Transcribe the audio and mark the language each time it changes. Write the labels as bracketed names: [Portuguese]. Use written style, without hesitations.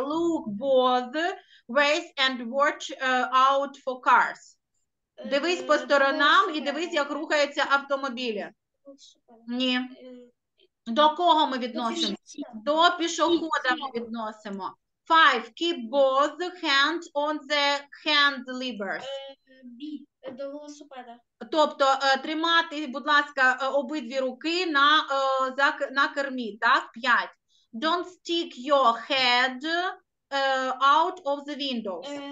[English] Look both ways and watch out for cars. [Ukrainian] Дивись по сторонам і дивись, як рухаються автомобілі. Ні. До кого ми відносимо? До пішохода ми відносимо. [English] Five. Keep both hands on the hand levers. [Ukrainian] До велосипеда. Тобто тримати, будь ласка, обидві руки на кермі, так? П'ять. [English] Don't stick your head out of the windows.